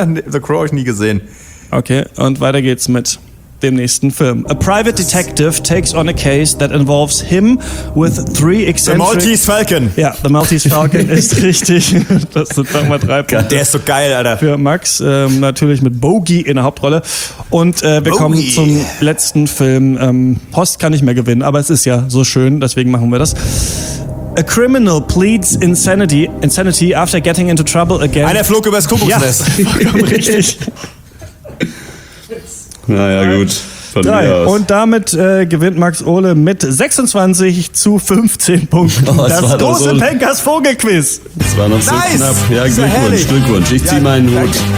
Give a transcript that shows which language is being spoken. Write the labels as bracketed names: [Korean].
[German] The Crow habe ich nie gesehen. Okay, und weiter geht's mit dem nächsten Film. [English] A private detective takes on a case that involves him with 3 eccentric... The Maltese Falcon. [German] Ja, The Maltese Falcon ist richtig. Das sind nochmal 3 Punkte. Der ist so geil, Alter. Für Max, natürlich mit Bogey in der Hauptrolle. Und wir kommen zum letzten Film. Post kann nicht mehr gewinnen, aber es ist ja so schön, deswegen machen wir das. [English] A criminal pleads insanity after getting into trouble again. [German] Einer flog übers Kuckucksnest. Ja, richtig. Naja, gut. Von drei. Mir aus. Und damit gewinnt Max Ole mit 26 zu 15 Punkten das große Pankers Vogelquiz. Das war noch nice. So knapp. Ja, Glückwunsch, Glückwunsch. Ich ziehe meinen Hut.